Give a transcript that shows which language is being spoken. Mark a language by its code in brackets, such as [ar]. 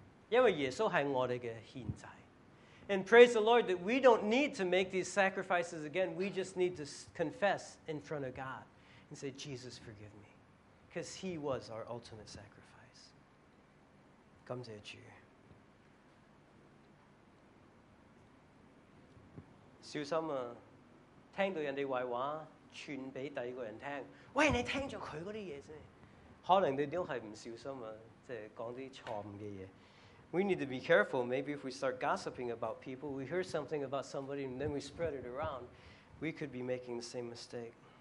[zh] 因为耶稣是我们的献祭。 [en] And praise the Lord that we don't need to make these sacrifices again. We just need to confess in front of God and say, Jesus, forgive me. Because he was our ultimate sacrifice. [zh] 感谢主。小心啊，听到人家坏话，传给第二个人听。喂，你听了他那些东西。可能你都是不小心啊，就是讲些错误的东西。 [en] We need to be careful. Maybe if we start gossiping about people, we hear something about somebody and then we spread it around, we could be making the same mistake.